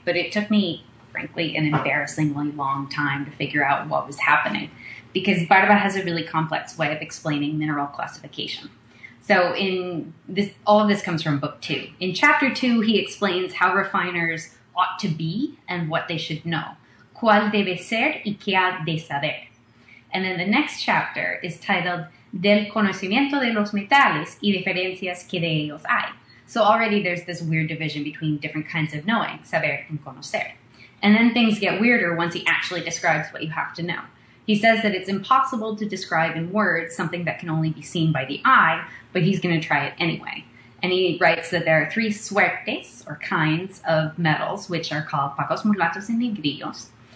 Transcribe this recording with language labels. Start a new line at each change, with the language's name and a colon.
English: But it took me, frankly, an embarrassingly long time to figure out what was happening, because Barba has a really complex way of explaining mineral classification. So in this, all of this comes from book two. In chapter two, he explains how refiners ought to be and what they should know.
Spanish: ¿Cuál debe ser y qué ha de saber?
English: And then the next chapter is titled
Spanish: Del conocimiento de los metales y diferencias que de ellos hay.
English: So already there's this weird division between different kinds of knowing, saber and conocer. And then things get weirder once he actually describes what you have to know. He says that it's impossible to describe in words something that can only be seen by the eye, but he's going to try it anyway. And he writes that there are three suertes, or kinds, of metals, which are called pacos, mulatos, and negrillos.